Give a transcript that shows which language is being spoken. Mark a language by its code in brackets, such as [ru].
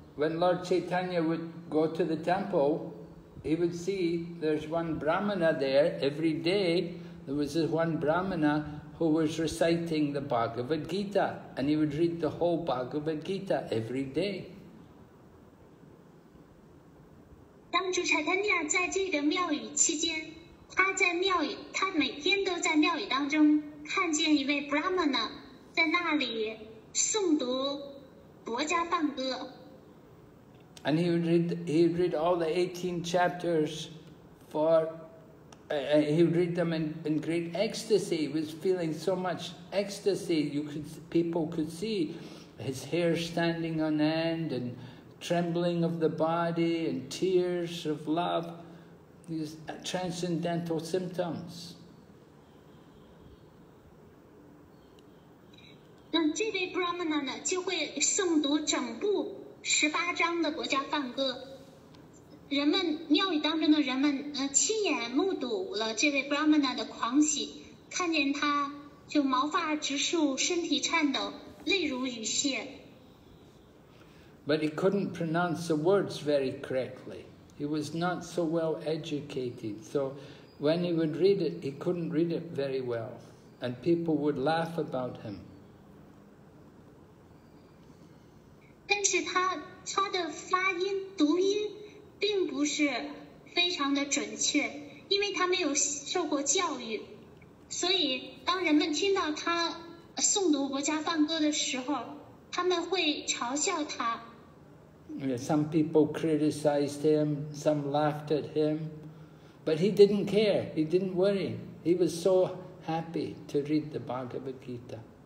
[en] when Lord Chaitanya would go to the temple, he would see there's one Brahmana there. Every day there was this one Brahmana who was reciting the Bhagavad Gita, and he would read the whole Bhagavad Gita every day. [zh] 当主产丹亚在这个庙宇期间，他每天都在庙宇当中看见一位Brahmana在那里诵读薄伽梵歌。 [en] And he would read all the 18 chapters for, he would read them in great ecstasy. He was feeling so much ecstasy. People could see his hair standing on end and trembling of the body and tears of love, these transcendental symptoms. [zh] 这位 Brahmana 呢，就会诵读整部十八章的国家梵歌。人们庙宇当中的人们，亲眼目睹了这位 Brahmana 的狂喜，看见他就毛发直竖，身体颤抖，泪如雨泻。 [en] But he couldn't pronounce the words very correctly. He was not so well educated, so when he would read it, he couldn't read it very well, and people would laugh about him. [zh] 但是他的发音读音并不是非常的准确，因为他没有受过教育，所以当人们听到他诵读国家梵歌的时候，他们会嘲笑他。 [en] Some people criticized him, some laughed at him, but he didn't care. He didn't worry. He was so happy to read the Bhagavad Gita.